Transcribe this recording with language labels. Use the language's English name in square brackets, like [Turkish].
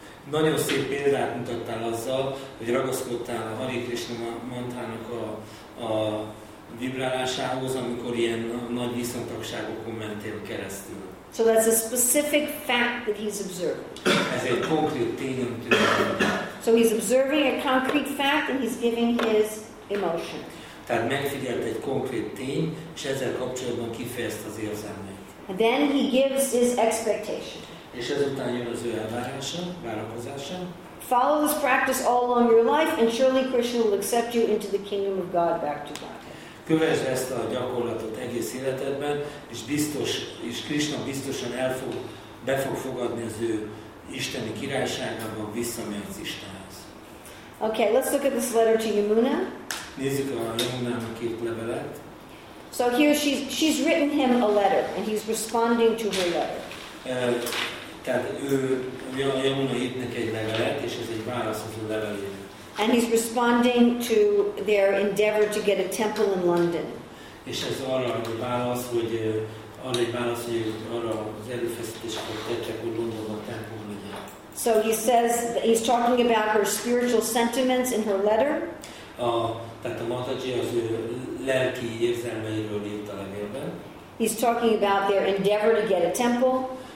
[Hungarian] Nagyon szép példát mutattál azzal, hogy ragaszkodtál a Hare Krishna mantrának a vibrálásához, amikor ilyen nagy viszontagságokon mentél keresztül. [English] So that's a specific fact that he's observing. [Hungarian] Ez egy konkrét tény, amit ő mondja. [English] So he's observing a concrete fact and he's giving his emotion. [Hungarian] Tehát megfigyelt egy konkrét tény, és ezzel kapcsolatban kifejezte az érzelmét. [English] And then he gives his expectation. [Hungarian] És ezután jön az ő elvárása, várakozása. [English] Follow this practice all along your life, and surely Krishna will accept you into the kingdom of God back to God. [Hungarian] Kövesd ezt a gyakorlatot egész életedben, és biztos, és Krishna biztosan be fog fogadni az ő isteni királyságában, visszamehetsz Istenhez. [English] Okay, let's look at this letter to Yamuna. [Hungarian] Nézzük a Yamunának írt levelet. [English] So here she's written him a letter, and he's responding to her letter. [Hungarian] Tehát ő Yamuna írt neki egy levelet, és ez egy válasz az ő levelére. [English] And he's responding to their endeavor to get a temple in London. [Hungarian] És ez arra egy válasz, hogy arra egy válasz, hogy arra az előfeszítéseket tettek, hogy Londonban templom legyen. [English] So he says that he's talking about her spiritual sentiments in her letter. [Hungarian] Tehát a Mataji az ő lelki érzelmeiről írt a levélben. [English] He's talking about their endeavor to get a temple.